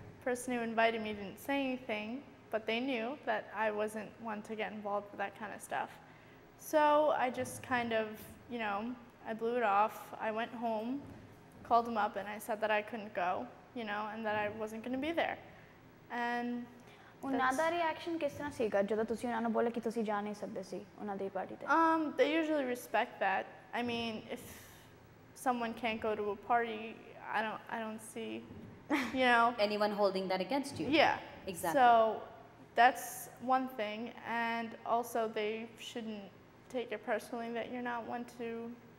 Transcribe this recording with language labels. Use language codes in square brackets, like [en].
[en] The person who invited me didn't say anything, but they knew that I wasn't one to get involved with that kind of stuff. So, I just kind of, you know... I blew it off. I went home, called him up, and I said that I couldn't go, you know, and that I wasn't going to be there. And [pa] ਉਹਨਾਂ ਦਾ reaction ਕਿਸ ਤਰ੍ਹਾਂ ਸੀਗਾ ਜਦੋਂ ਤੁਸੀਂ ਉਹਨਾਂ ਨੂੰ ਬੋਲੇ ਕਿ ਤੁਸੀਂ ਜਾ ਨਹੀਂ ਸਕਦੇ ਸੀ ਉਹਨਾਂ ਦੀ ਪਾਰਟੀ ਤੇ [en] They usually respect that. I mean, if someone can't go to a party, I don't see, you know, anyone holding that against you. Yeah. Exactly. So that's one thing, and also they shouldn't take it personally that you're not one to